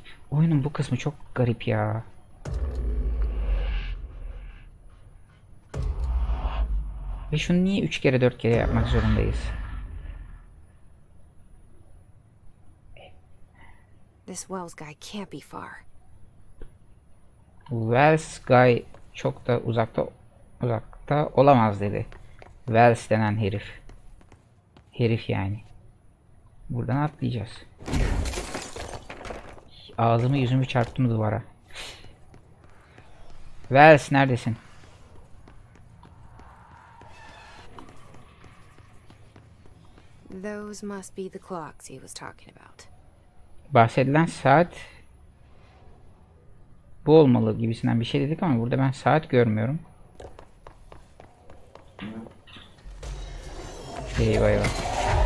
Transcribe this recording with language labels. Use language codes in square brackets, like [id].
[tr] Oyunun bu kısmı çok garip ya. Ve şunu niye 3 kere 4 kere yapmak zorundayız? [en] This Wells guy can't be far. [tr] Wells guy çok da uzakta olamaz dedi. Wells denen herif. Herif yani. Buradan atlayacağız. Ağzımı yüzümü çarptım duvara. Wells neredesin? [en] Those must be the clocks he was talking about. [tr] Bahsedilen saat bu olmalı gibisinden bir şey dedik ama burada ben saat görmüyorum. Eyvah eyvah.